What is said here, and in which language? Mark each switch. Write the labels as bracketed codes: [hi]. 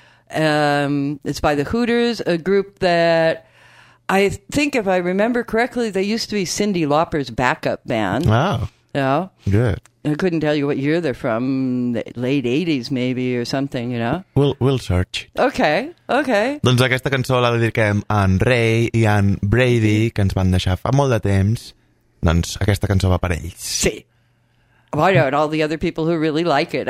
[en] It's by the Hooters, a group that I think, if I remember correctly, they used to be Cyndi Lauper's backup band. Wow. Yeah. Good. I couldn't tell you what year they're from, the late 80s maybe or something, you know? We'll search. Okay, okay. [ca] Doncs aquesta cançó la dediquem a en Ray i en Brady, que ens van deixar fa molt de temps. Doncs aquesta cançó va per ells. Sí. [en] Why don't all the other people who really like it?